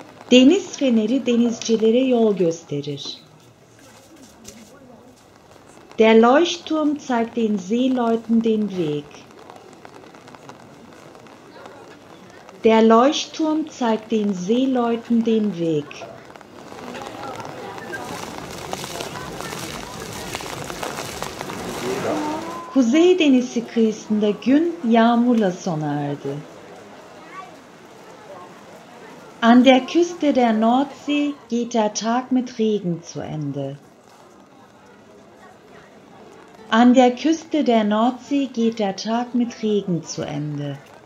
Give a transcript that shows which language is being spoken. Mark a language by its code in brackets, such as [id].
[tr] Deniz feneri denizcilere yol gösterir. [de] Der Leuchtturm zeigt den Seeleuten den Weg. Der Leuchtturm zeigt den Seeleuten den Weg. [tr] Kuzey Denizi kıyısında gün yağmurla sona erdi. [de] An der Küste der Nordsee geht der Tag mit Regen zu Ende. An der Küste der Nordsee geht der Tag mit Regen zu Ende.